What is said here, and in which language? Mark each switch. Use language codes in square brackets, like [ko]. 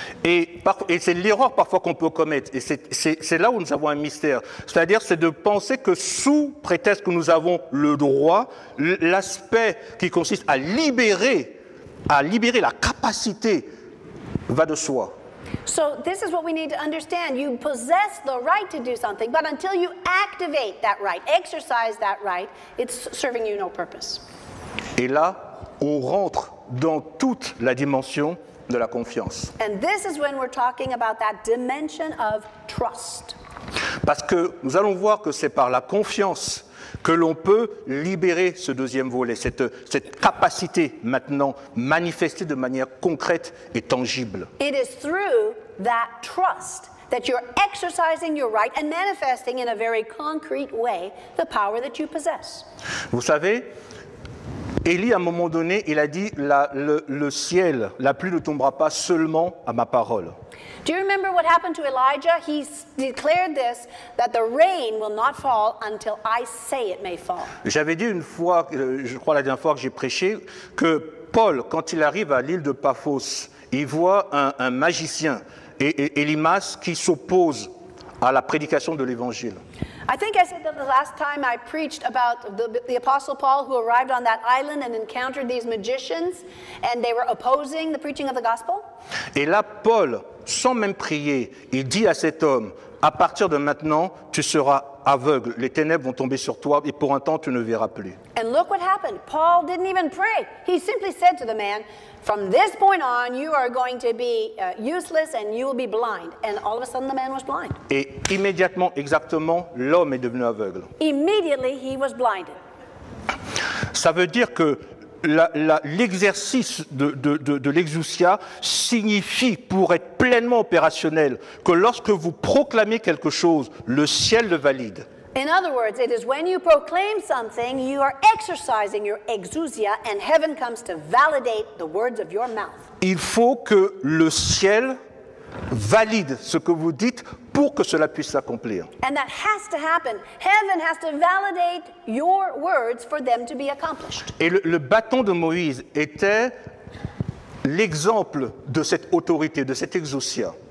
[fr] Et c'est l'erreur parfois qu'on peut commettre. Et c'est là où nous avons un mystère. C'est-à-dire, c'est de penser que sous prétexte que nous avons le droit, l'aspect qui consiste à libérer la capacité va de soi. [en] So this is what we need to understand. You possess the right to do something, but until you activate that right, exercise that right, it's serving you no purpose. [fr] Et là, on rentre dans toute la dimension de la confiance. [en] And this is when we're talking about that dimension of trust. [fr] Parce que nous allons voir que c'est par la confiance que l'on peut libérer ce deuxième volet, cette capacité maintenant manifestée de manière concrète et tangible. [en] It is through that trust that you're exercising your right and manifesting in a very concrete way the power that you possess. [fr] Vous savez, Élie, à un moment donné, il a dit, le ciel, la pluie ne tombera pas seulement à ma parole. [en] Do you remember what happened to Elijah? He declared this, that the rain will not fall until I say it may fall. [fr] J'avais dit une fois, je crois la dernière fois que j'ai prêché, que Paul, quand il arrive à l'île de Paphos, il voit un magicien, Elimas, qui s'oppose à la prédication de l'évangile. [en] I think I said that the last time I preached about the Apostle Paul who arrived on that island and encountered these magicians and they were opposing the preaching of the gospel. [fr] Et là, Paul, sans même prier, il dit à cet homme, à partir de maintenant, tu seras aveugle. Les ténèbres vont tomber sur toi et pour un temps, tu ne verras plus. [en] And look what happened. Paul didn't even pray. He simply said to the man, from this point on, you are going to be useless and you will be blind. And all of a sudden, the man was blind. [fr] Et immédiatement, exactement, l'homme est devenu aveugle. [en] Immediately, he was blinded. [fr] Ça veut dire que l'exercice de l'exousia signifie, pour être pleinement opérationnel, que lorsque vous proclamez quelque chose, le ciel le valide. [en] In other words, it is when you proclaim something, you are exercising your exousia and heaven comes to validate the words of your mouth. [fr] Il faut que le ciel valide ce que vous dites pour que cela puisse s'accomplir. [en] And that has to happen. Heaven has to validate your words for them to be accomplished. [fr] Et le bâton de Moïse était l'exemple de cette autorité, de cette exousia.